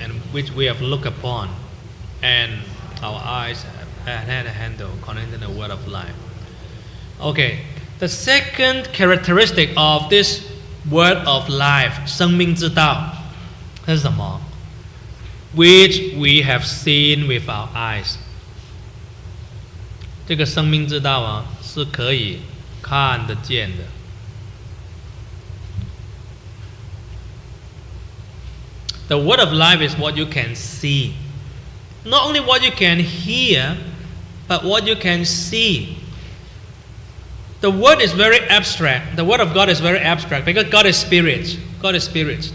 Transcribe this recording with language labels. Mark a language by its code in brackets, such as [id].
[en] Which we have looked upon, and our eyes have had a handle connecting the word of life. Okay, the second characteristic of this word of life, 生命之道, this is the mark, which we have seen with our eyes. [zh] 这个生命之道啊, 是可以看得见的。 [en] The word of life is what you can see. Not only what you can hear, but what you can see. The word is very abstract. The word of God is very abstract because God is spirit. God is spirit.